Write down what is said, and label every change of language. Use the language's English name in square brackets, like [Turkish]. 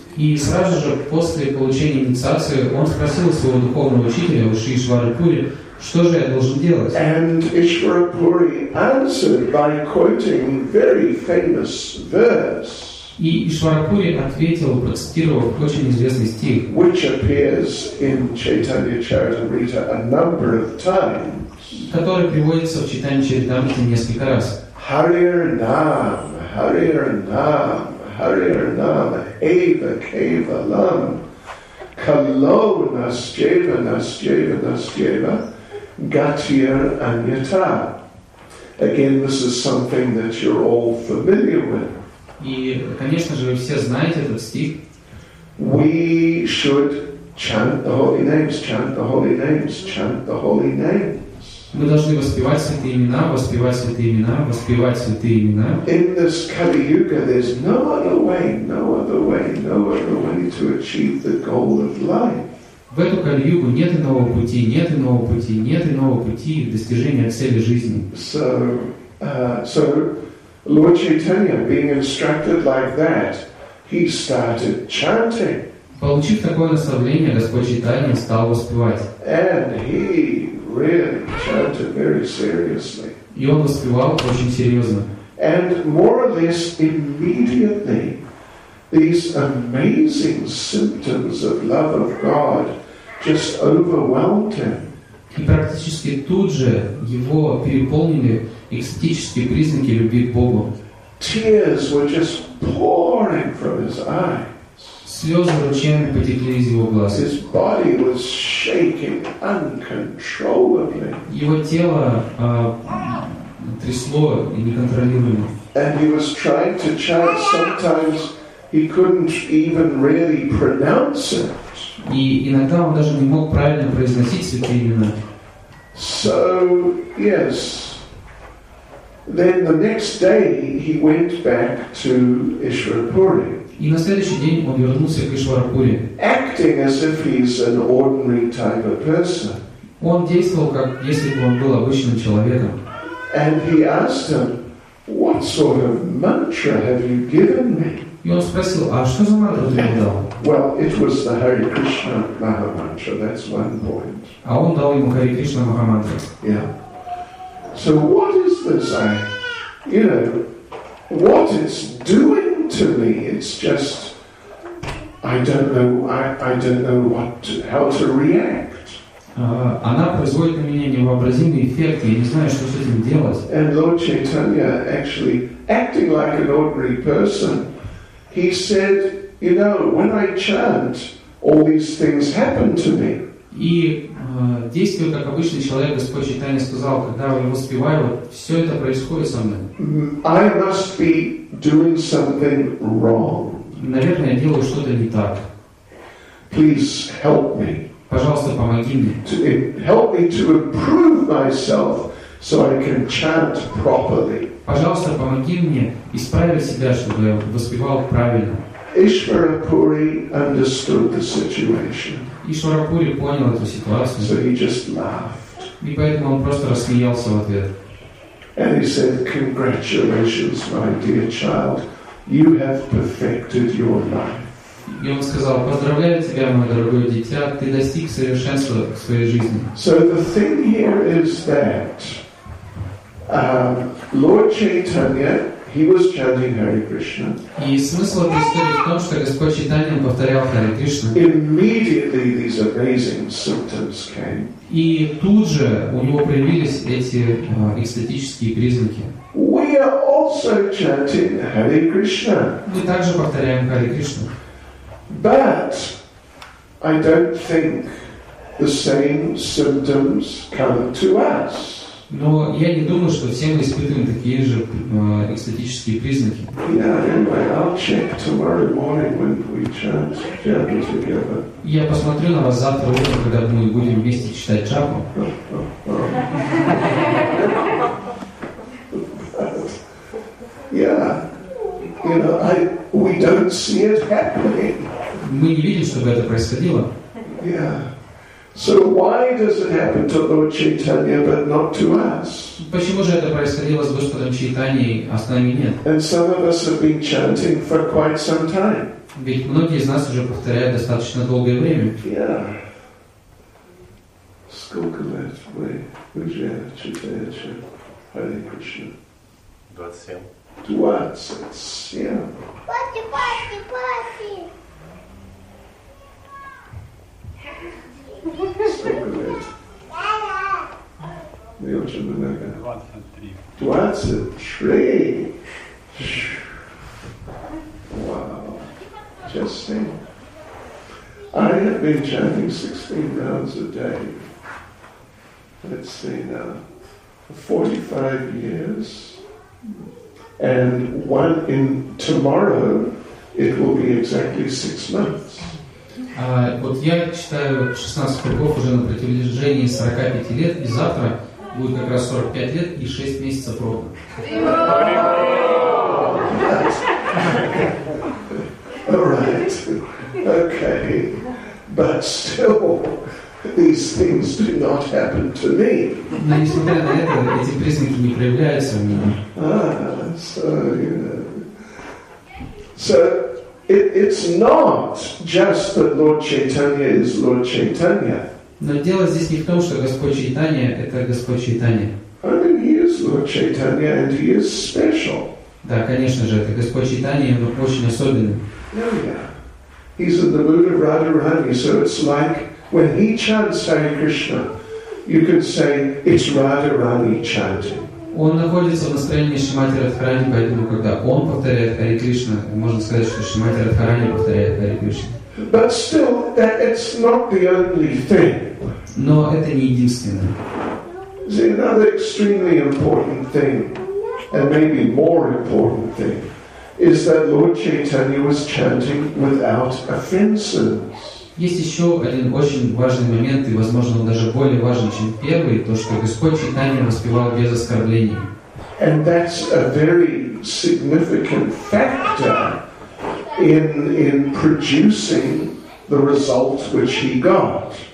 [Russian] И сразу же после получения инициации он спросил своего духовного учителя Ишвара Пури, что же я должен делать? [English] And Ishvara Puri answered by quoting very famous verse. [Russian] И Ишвара Пури ответил, процитировав очень известный стих, [English] which appears in Chaitanya Charitamrita a number of times, [Russian] который приводится в Читании Чайтамриты несколько раз. [Sanskrit] Harir Nam, Harir Nam, Harir Nam, Eva Keva Lam, Kalo Nasjeva, Nasjeva, Nasjeva, Gatir Anyata. [English] Again, this is something that you're all familiar with. [Russian] И, конечно же, вы все знаете этот стих. [English] We should chant the holy names, chant the holy names, chant the holy names. [Russian] Мы должны воспевать святые имена, воспевать святые имена, воспевать святые имена. [English] In this Kali Yuga, there's no other way, no other way, no other way to achieve the goal of life. [Russian] В эту Кали-Югу нет иного пути, нет иного пути, нет иного пути достижения цели жизни. [English] So Lord Chaitanya, being instructed like that, he started chanting. [Russian] Получив такое наставление, Господь Чайтанья стал воспевать. [English] And he really chanted very seriously. [Russian] И он воспевал очень серьезно. [English] And more or less immediately, these amazing symptoms of love of God just overwhelmed him. [Russian] И практически тут же его переполнили экстатические признаки любви к Богу. [English] Tears were just pouring from his eyes. [Russian] Слезы ручьями потекли из его глаз. [English] His body was shaking uncontrollably. [Russian] Его тело трясло и неконтролируемо. [English] And he was trying to chant. Sometimes he couldn't even really pronounce it. [Russian] И иногда он даже не мог правильно произносить святые имена. [English] So, yes. Then the next day he went back to Ishvara Puri. [Russian] И на следующий день он вернулся к Ишвара Пури. [English] Acting as if he's an ordinary type of person. [Russian] Он действовал, как если бы он был обычным человеком. [English] And he asked him, "What sort of mantra have you given me?" [Russian] И он спросил, а что за мантру ты ему дал? [English] Well, it was the Hare Krishna Mahamantra. That's one point. [Russian] А он дал ему Hare Krishna Mahamantra. [English] Yeah. So what is this? What it's doing to me? It's just, I don't know how to react. [Russian] Она производит на меня невообразимый эффект. Я не знаю, что с этим делать. [English] And Lord Chaitanya, actually acting like an ordinary person, he said, "You know, when I chant, all these things happen to me." [Russian] И действие, как обычный человек, Господь Чайтанья сказал, когда я воспеваю, все это происходит со мной. [English] I must be doing something wrong. [Russian] Наверное, я делаю что-то не так. [English] Please help me. [Russian] Пожалуйста, помоги мне. [English] Help me to improve myself so I can chant properly. [Russian] Пожалуйста, помоги мне исправить себя, чтобы я воспевал правильно. [English] Ишварапури understood the situation. [Russian] Ишварапури понял эту ситуацию. [English] So he just laughed. [Russian] И поэтому он просто рассмеялся в ответ. [English] And he said, "Congratulations, my dear child. You have perfected your life." [Russian] И он сказал: "Поздравляю тебя, мое дорогое дитя, ты достиг совершенства в своей жизни." [English] So the thing here is that Lord Chaitanya, he was chanting Hare Krishna. [Russian] И смысл этой истории в том, что Господь Чайтанья повторял Харе Кришна. [English] Immediately these amazing symptoms came. [Russian] И тут же у него проявились эти экстатические признаки. [English] We are also chanting Hare Krishna. [Russian] Мы также повторяем Харе Кришну. [English] But I don't think the same symptoms come to us. [Russian] Но я не думаю, что все мы испытываем такие же экстатические признаки. [English] Yeah, anyway, I'll check tomorrow morning when we chant japa together. [Russian] Я посмотрю на вас завтра утром, когда мы будем вместе читать джапу. [English] Yeah, you know, we don't see it happening. [Russian] Мы не видим, чтобы это происходило. [English] So why does it happen to Lord Chaitanya but not to us? [Russian] Почему же это происходило с Господом Чайтаньей, а с нами нет? [English] And some of us have been chanting for quite some time. [Russian] Ведь многие из нас уже повторяют достаточно долгое время. Сколько лет вы уже читаете Харе Кришна? 27. 27. Пати. Мне очень много. 23. [English] Вау. Just think. I have been chanting 16 rounds a day. Let's see now. For 45 years. And one in tomorrow, it will be exactly 6 months. [Russian] Вот я читаю 16 кругов уже на протяжении 45 лет, и завтра будет как раз 45 лет и 6 месяцев ровно. [English] Alright. Okay. But still, these things do not happen to me. [Russian] Но несмотря на это, эти признаки не проявляются у меня. [English] It's not just that Lord Chaitanya is Lord Chaitanya. [Russian] Но дело здесь не в том, что Господь Чайтанья это Господь Чайтанья. [English] I mean, he is Lord Chaitanya and he is special. [Russian] Да, конечно же, это Господь Чайтанья, но очень особенный. [English] Yeah. He's in the mood of Radharani, so it's like when he chants Hare Krishna, you can say it's Radharani chanting. [Russian] Он находится в настроении Шримати Радхарани, поэтому когда он повторяет Харе Кришна, можно сказать, что Шримати Радхарани повторяет Харе Кришна. [English] But still, that it's not the only thing. [Russian] Но это не единственное. [English] There's another extremely important thing, and maybe more important thing, is that Lord Chaitanya was chanting without offenses. [Russian] Есть еще один очень важный момент, и, возможно, он даже более важен, чем первый, то, что Господь Чайтанья воспевал без оскорблений. [English] And that's a very significant factor in producing the result which he got.